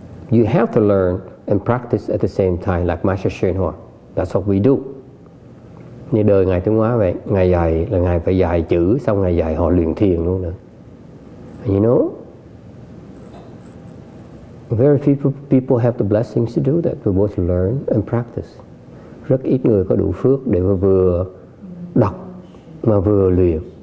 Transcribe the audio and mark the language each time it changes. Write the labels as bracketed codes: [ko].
[en] You have to learn and practice at the same time, like Master Shenhua. That's That's what we do. [vi] Như đời Ngài Trung Hóa vậy, Ngài dạy là Ngài phải dạy chữ, xong Ngài dạy họ luyện thiền luôn nữa. [en] You know? Very few people have the blessings to do that. We both learn and practice. [vi] Rất ít người có đủ phước để mà vừa đọc mà vừa luyện.